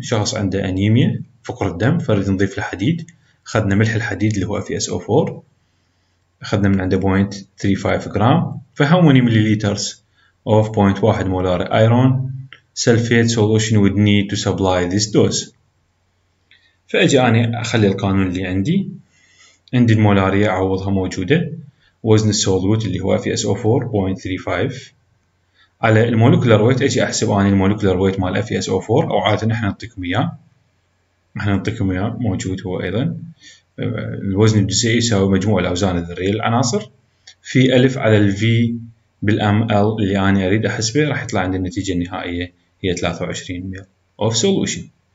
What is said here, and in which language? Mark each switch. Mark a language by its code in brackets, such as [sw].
[ar] شخص عنده anemia فقر الدم فريد نضيف الحديد، أخذنا ملح الحديد اللي هو FeSO4 أخذنا من عنده 0.35 جرام. [en] For how many milliliters of 0.1 molar iron sulfate solution would need to supply this dose. [ar] فأجي أنا أخلي القانون اللي عندي، عندي المولارية أعوضها موجودة وزن السولوت اللي هو FeSO4 0.35 على المولكولار ويت. أجي أحسب أني المولكولار ويت مال FeSO4 أو عادة إحنا نعطيكم إياه، إحنا نعطيكم إياه موجود هو أيضا الوزن الجزيئي يساوي مجموع الأوزان الذرية للعناصر في ألف على ال V بالام L اللي أنا أريد أحسبه، راح يطلع عندي النتيجة النهائية هي 23 ميل أوف سولوشن.